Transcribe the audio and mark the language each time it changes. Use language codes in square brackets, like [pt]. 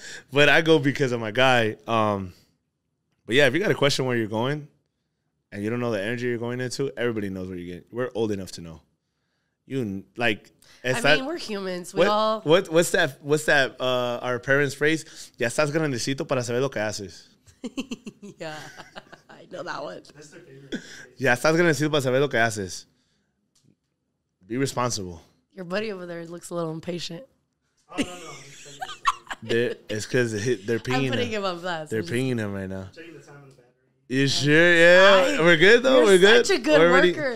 [en] But I go because of my guy. But yeah, if you got a question where you're going and you don't know the energy you're going into, everybody knows where you're getting. We're old enough to know. We're humans. What's that our parents' phrase? [es] Ya estás grandecito para saber lo que haces. [en] Yeah. Know that one. [es] Yeah, estás grandecito para saber lo que haces. [en] Be responsible. Your buddy over there looks a little impatient. Oh, no. It's because they're pinging him. I'm putting him on blast. They're pinging him right now. Checking the time on the battery. You sure? Yeah. We're good, though. We're good. You're such a good worker.